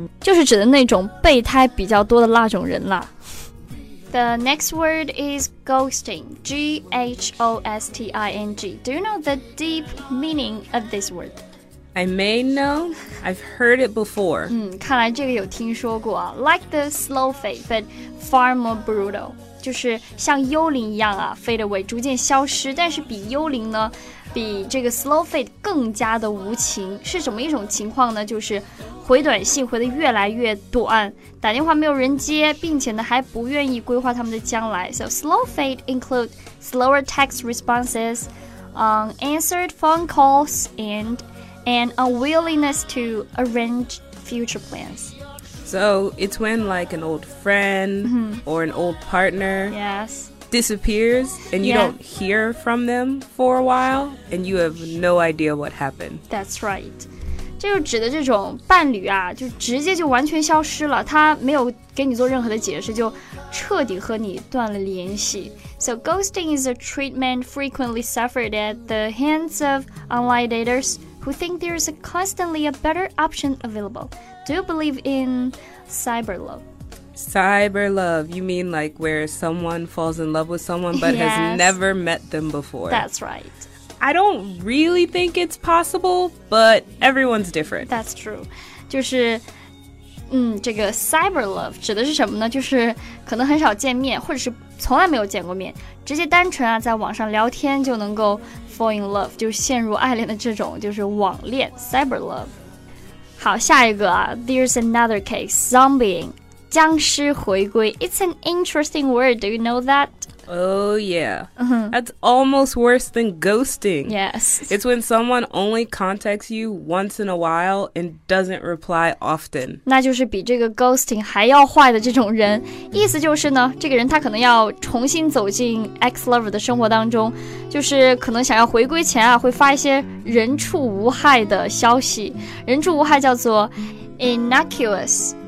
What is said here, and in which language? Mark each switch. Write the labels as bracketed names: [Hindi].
[Chinese] 就是指的那种备胎比较多的那种人啦。 [English] The next word is ghosting. G-H-O-S-T-I-N-G. Do you know the deep meaning of this word? I may know. I've heard it before. [Chinese] 看来这个有听说过啊。 [English] Like the slow fade, but far more brutal. [Chinese] 就是像幽灵一样啊 fade away 逐渐消失但是比幽灵呢比这个 slow fade 更加的无情是什么一种情况呢就是回短信回得越来越短打电话没有人接并且呢还不愿意规划他们的将来 [English] So slow fade include slower text responses unanswered phone calls and an unwillingness to arrange future plans So, it's when like an old friend or an old partner disappears and you don't hear from them for a while and you have no idea what happened. That's right. [Chinese] 这就指的这种伴侣啊就直接就完全消失了他没有给你做任何的解释就彻底和你断了联系。 [English] So, ghosting is a treatment frequently suffered at the hands of online daters who think there's constantly a better option available. Do you believe in cyber love? Cyber love, you mean like where someone falls in love with someone but has never met them before? That's right. I don't really think it's possible, but everyone's different. That's true. [Chinese] 就是这个 cyber love 指的是什么呢？就是可能很少见面，或者是从来没有见过面，直接单纯啊，在网上聊天就能够 [English] fall in love, [Chinese] 就陷入爱恋的这种就是网恋 cyber love. 好下一个、啊、 [English] There's another case, zombieing, 僵尸回归 It's an interesting word, do you know that? Oh yeah,、that's almost worse than ghosting. Yes. It's when someone only contacts you once in a while and doesn't reply often. [Chinese] 那就是比这个 ghosting 还要坏的这种人。意思就是呢，这个人他可能要重新走进 ex-lover 的生活当中，就是可能想要回归前啊，会发一些人畜无害的消息。人畜无害叫做 innocuous.